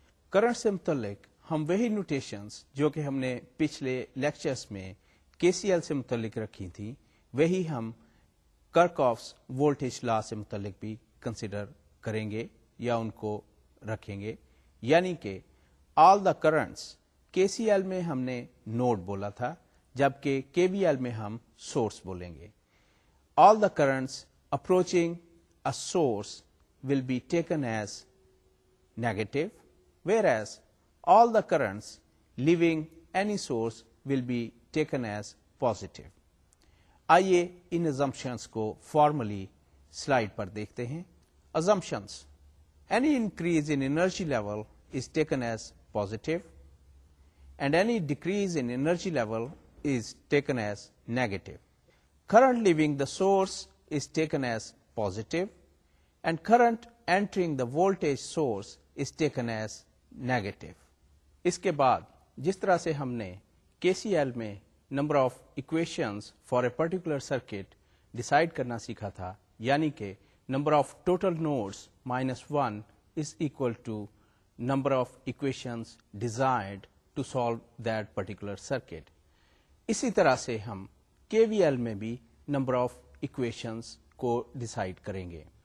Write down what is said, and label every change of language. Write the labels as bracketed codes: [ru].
[ur] Current سے متعلق ہم وہی نوٹیشنز جو کہ ہم نے پچھلے لیکچرز میں کے سی ایل سے متعلق رکھی تھی, وہی ہم کرکوفز وولٹیج لا سے متعلق بھی کنسیڈر کریں گے یا ان کو رکھیں گے. یعنی کہ [en] all the currents [ur] کے سی ایل میں ہم نے نوڈ بولا تھا جبکہ کے وی ایل میں ہم سورس بولیں گے. [en] All the currents approaching a source will be taken as negative, whereas all the currents leaving any source will be taken as positive. [ur] آئیے ان ازمپشنس کو فارملی سلائڈ پر دیکھتے ہیں. [en] Assumptions, any increase in energy level is taken as positive and any decrease in energy level is taken as negative. Current leaving the source is taken as positive and current entering the voltage source is taken as negative. [ur] اس کے بعد جس طرح سے ہم نے کے C L میں [en] number of equations for a particular circuit [ur] decide کرنا سیکھا تھا, یعنی کہ number of total nodes minus one is equal to number of equations designed to solve that particular circuit, اسی طرح سے ہم کے وی ایل میں بھی نمبر آف اکویشنز کو ڈیسائیڈ کریں گے.